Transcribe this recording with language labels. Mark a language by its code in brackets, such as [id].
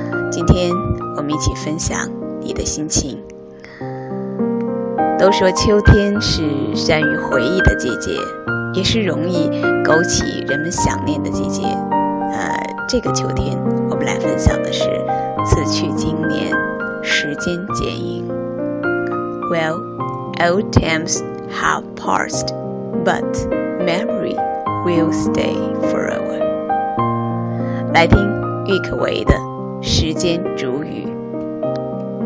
[zh] 今天我们一起分享你的心情。都说秋天是善于回忆的季节，也是容易勾起人们想念的季节。这个秋天我们来分享的是此去经年，时间剪影。 [en] Well, old times have passed, but memory will stay forever. [zh] 来听郁可唯的《时间煮雨》。